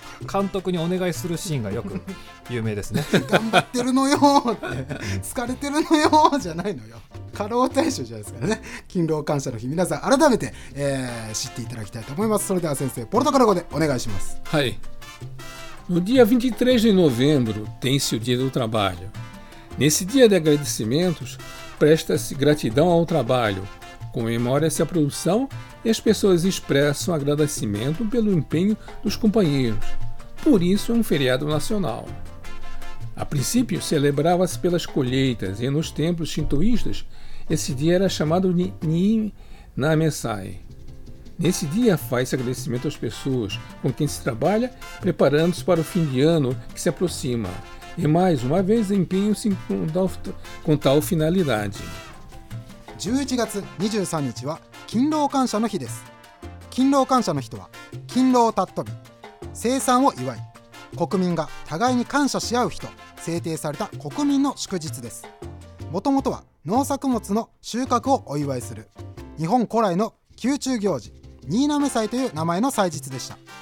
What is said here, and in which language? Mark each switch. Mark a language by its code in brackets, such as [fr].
[ja] 監督にお願いするシーンがよく有名ですね。頑張ってるのよって疲れてるのよじゃないのよ。過労大賞じゃないですからね。勤労感謝の日、皆さん改めて、知っていただきたいと思います。それでは先生、ポルトガル語でお願いします。はい。 [pt] No dia 23 de novembro tem-se o dia do trabalho. Nesse dia de agradecimentos, presta-se gratidão ao trabalho. Comemora-se a produção e as pessoas expressam agradecimento pelo empenho dos companheiros. Por isso é um feriado nacional. A princípio, celebrava-se pelas colheitas e nos templos shintoístas, esse dia era chamado Ninamesai. Nesse dia, faz-se agradecimento às pessoas com quem se trabalha, preparando-se para o fim de ano que se aproxima. E mais uma vez, empenham-se com tal finalidade. [ja] 11月23日は勤労感謝の日です。勤労感謝の日とは勤労たっ飛び、生産を祝い、国民が互いに感謝し合う日と制定された国民の祝日です。もともとは農作物の収穫をお祝いする日本古来の宮中行事、ニーナメ祭という名前の祭日でした。